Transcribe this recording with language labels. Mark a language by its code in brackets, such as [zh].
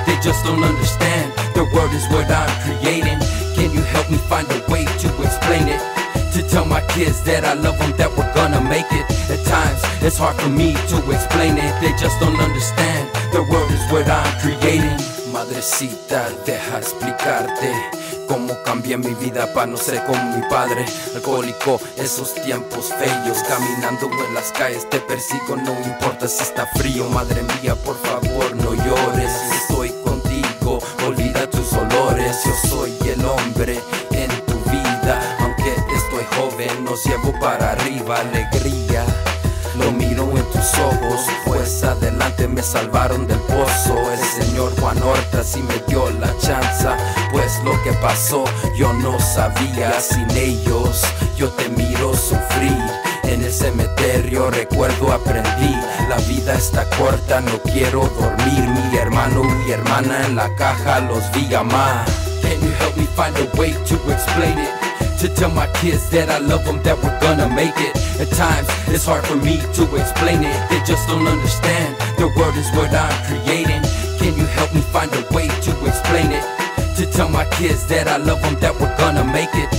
[en] They just don't understand, the world is what I'm creating. Can you help me find a way to explain it? To tell my kids that I love them, that we're gonna make it. At times, it's hard for me to explain it. They just don't understand, the world is what I'm creating. [es] Madrecita, deja explicarte cómo cambié mi vida pa' no ser como mi padre. Alcohólico, esos tiempos bellos. Caminando en las calles te persigo, no importa si está frío. Madre mía, por favor, no llores. Estoy contigo, olvida tus dolores. Yo soy el hombre en tu vida. Aunque estoy joven, nos llevo para arriba. Alegría, lo miro en tus ojos. Pues adelante me salvaron del pozo. El señor Juan Horta sí me dio la chance. Pues lo que pasó yo no sabía. Sin ellos yo te miro sufrir. En el cementerio recuerdo aprendí. La vida está corta, no quiero dormir. Mi hermano y hermana en la caja los vi llamar. [en] Can you help me find a way to explain it? To tell my kids that I love them, that we're gonna make it. At times, it's hard for me to explain it. They just don't understand, the world is what I'm creating. Can you help me find a way to explain it? To tell my kids that I love them, that we're gonna make it.